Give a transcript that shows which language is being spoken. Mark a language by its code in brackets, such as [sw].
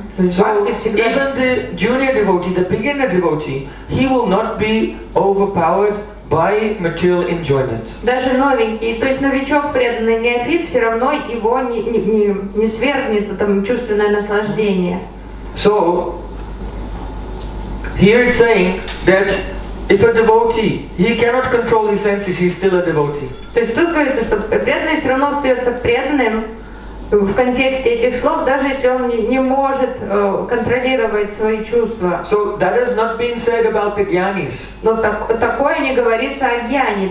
[en] Even the junior devotee, the beginner devotee, he will not be overpowered by material enjoyment. [ru] Даже новенький, то есть новичок, преданный неофит, все равно его не свергнет там чувственное наслаждение. [en] So here it's saying that if a devotee, he cannot control his senses, he's still a devotee. [ru] То есть тут говорится, что преданный все равно остается преданным. В контексте этих слов, даже если он не может контролировать свои чувства. [en] So that has not been said about the gyanis. [ru] Но такое не говорится о гьяни.